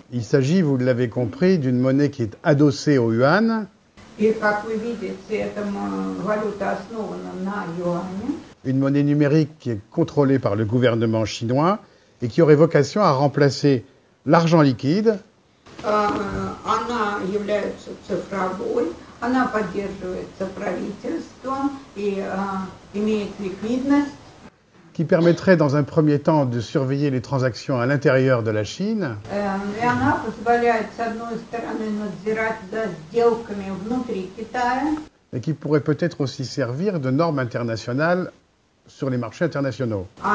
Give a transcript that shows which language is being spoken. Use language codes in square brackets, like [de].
[fr] Il s'agit, vous l'avez compris, d'une monnaie qui est adossée au yuan. [ru] И, как вы видите, эта валюта основана на юане. [fr] Une monnaie numérique qui est contrôlée par le gouvernement chinois et qui aurait vocation à remplacer l'argent liquide. [ru] Она является цифровой, она поддерживается правительством и имеет ликвидность. [fr] Qui permettrait dans un premier temps de surveiller les transactions à l'intérieur de la Chine. [ru] Et она позволяет, с одной стороны, надзирать за сделками внутри Китая. [fr] Et qui pourrait peut-être aussi servir de norme internationale sur les marchés internationaux.